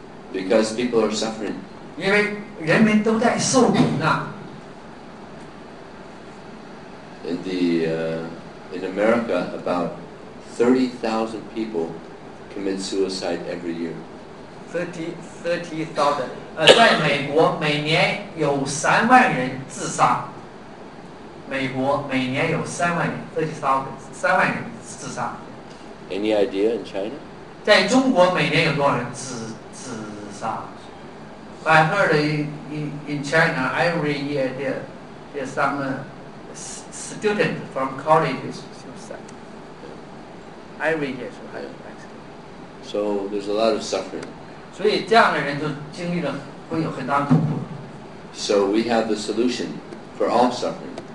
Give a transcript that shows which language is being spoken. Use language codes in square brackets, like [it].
[en] Because people are suffering. [zh] 因为人们都在受苦呢。 [en] In America, about 30,000 people commit suicide every year. [zh] 在美国每年有三万人自杀。 [en] Any idea in China? [zh] 在中国每年有多少人自杀? [en] I heard in China, every year there's some student from college suicide. Every year, so there's a lot of suffering. [zh] 所以这样的人就经历了会有很大痛苦。 [en] So we have the solution for all suffering.